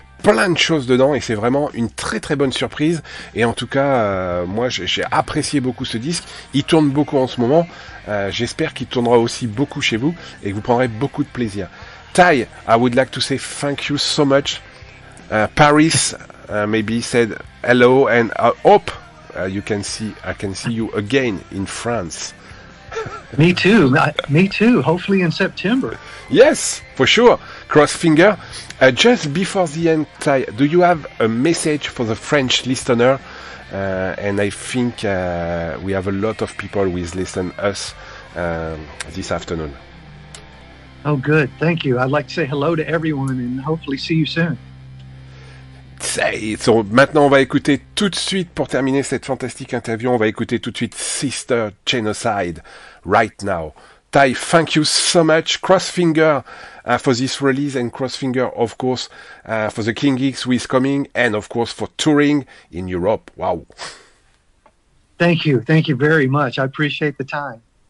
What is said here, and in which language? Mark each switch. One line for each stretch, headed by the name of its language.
French: plein de choses dedans, et c'est vraiment une très très bonne surprise, et en tout cas moi j'ai apprécié beaucoup ce disque, il tourne beaucoup en ce moment, j'espère qu'il tournera aussi beaucoup chez vous et que vous prendrez beaucoup de plaisir.
English: Ty, I would like to say thank you so much. Paris maybe said hello, and I hope I can see you again in France. Me too, hopefully in September. Yes, for sure, cross finger. Just before the end, Ty, do you have a message for the French listener? And I think we have a lot of people who is listen us this afternoon. Oh, good. Thank you. I'd like to say hello to everyone and hopefully see you soon.
French: So, maintenant, on va écouter tout de suite, pour terminer cette fantastique interview, on va écouter tout de suite Sister Genocide,
English: right now. Ty, thank you so much. Crossfinger for this release, and Crossfinger, of course, for the King Geeks who is coming, and of course for touring in Europe. Wow. Thank you. Thank you very much. I appreciate the time.